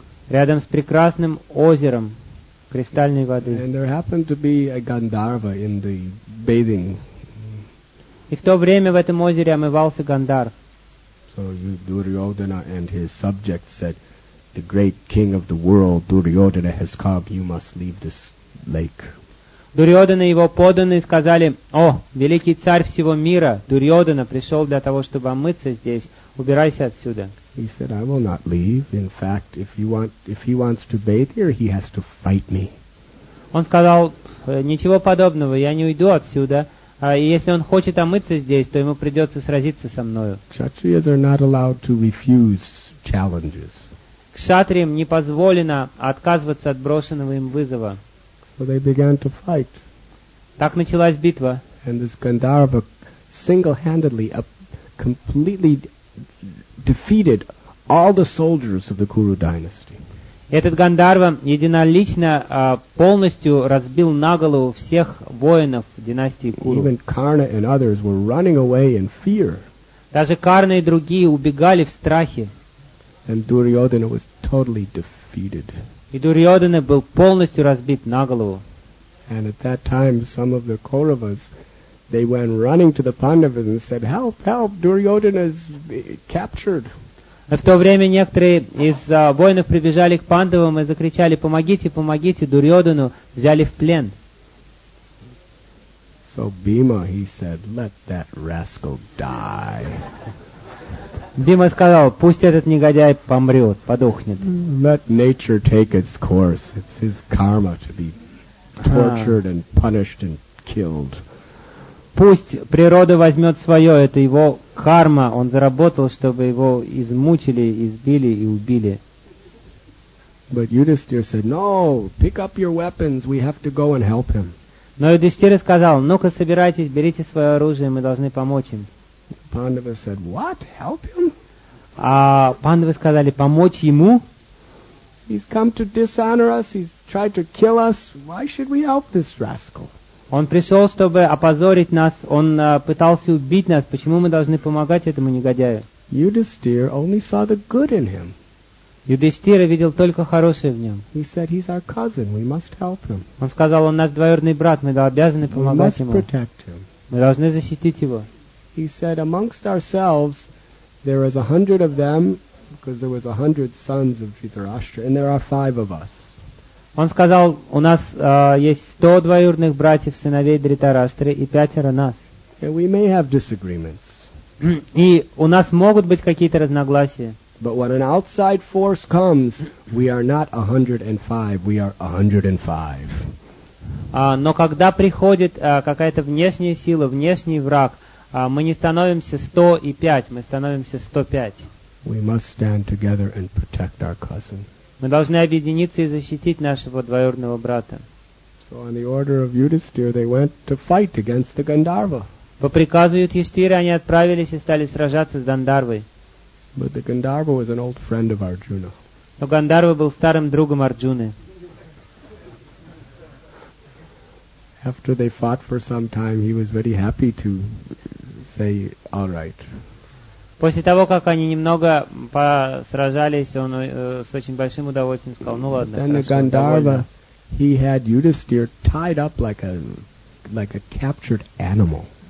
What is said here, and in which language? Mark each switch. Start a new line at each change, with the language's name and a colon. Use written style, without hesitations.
Russian: Рядом с прекрасным озером кристальной воды.
English: And there happened to be a Gandharva in the bathing.
Russian: И в то время в этом озере омывался Гандар.
English: So Duryodhana and his subjects said, "The great king of the world, Duryodhana, has come. You must leave this lake."
Russian: Duryodhana и его подданные сказали: "О, великий царь всего мира, Duryodhana пришел для того, чтобы омыться здесь. Убирайся отсюда."
English: He said, "I will not leave. In fact, if he wants to bathe here, he has to fight me."
Russian: Он сказал: "Ничего подобного. Я не уйду отсюда. И если он хочет омыться здесь, то ему придется сразиться со мною."
English: Kshatriyas are not allowed to refuse challenges.
Russian: Кшатриям не позволено отказываться от брошенного им вызова.
English: So they began to fight.
Russian: Так началась битва.
English: And this Gandharva single-handedly completely defeated all the soldiers of the Kuru dynasty.
Russian: Этот Гандарва единолично полностью разбил на голову всех воинов династии Куру.
English: Even Karna and others were running away in fear.
Russian: Даже Карна и другие убегали в страхе.
English: And Duryodhana was totally defeated.
Russian: И Дурьодхана был полностью разбит на голову.
English: And at that time some of the Kauravas, they went running to the Pandavas and said, "Help, help, Duryodhana is captured."
Russian: В то время некоторые из воинов прибежали к Пандавам и закричали: "Помогите, помогите, Дурьодхану взяли в плен."
English: So Bhima, he said, "Let that rascal die."
Russian: Бима сказал: "Пусть этот негодяй помрет, подохнет."
English: Let nature take its course. It's his karma to be tortured and punished and killed.
Russian: пусть природа возьмет свое, это его карма, он заработал, чтобы его измучили, избили и убили.
English: But Yudhisthira said, "No, pick up your weapons. We have to go and help him."
Russian: Но Юдистир сказал: "Ну-ка, собирайтесь, берите свое оружие, мы должны помочь им."
English: Pandava said, "What? Help him?"
Russian: А Пандавы сказали: "Помочь ему?"
English: He's come to dishonor us. He's tried to kill us. Why should we help this rascal?
Russian: Он пришел, чтобы опозорить нас. Он пытался убить нас. Почему мы должны помогать этому негодяю?
English: Yudhisthira only saw the good in him.
Russian: Юдистира видел только хорошее в нем.
English: He said, "He's our cousin. We must help him."
Russian: Он сказал: "Он наш двоюродный брат. Мы обязаны помогать ему."
English: We must protect him.
Russian: Мы должны защитить его.
English: He said, "Amongst ourselves, there is 100 of them, because there was 100 sons of Dhritarashtra, and there are 5 of us."
Russian: Он сказал: "У нас есть 100 двоюродных братьев, сыновей Дхритарашты, и пятеро нас."
English: And we may have disagreements.
Russian: И у нас могут быть какие-то разногласия.
English: But when an outside force comes, we are not 105, we are 105.
Russian: Но когда приходит какая-то внешняя сила, внешний враг, мы не становимся 105, мы становимся 105.
English: We must stand together and protect our cousin.
Russian: Мы должны объединиться и защитить нашего двоюродного брата.
English: So on the order of Yudhisthira, they went to fight against the Gandharva.
Russian: По приказу Юдхиштхиры они отправились и стали сражаться с Гандхарвой.
English: But the Gandharva was an old friend of Arjuna.
Russian: Но Гандхарва был старым другом Арджуны.
English: After they fought for some time, he was very happy to say, "All right."
Russian: После того, как они немного посражались, он с очень большим удовольствием сказал: "Ну ладно, хорошо."
English: Then the Gandharva, he had Yudhisthira tied up like a captured animal.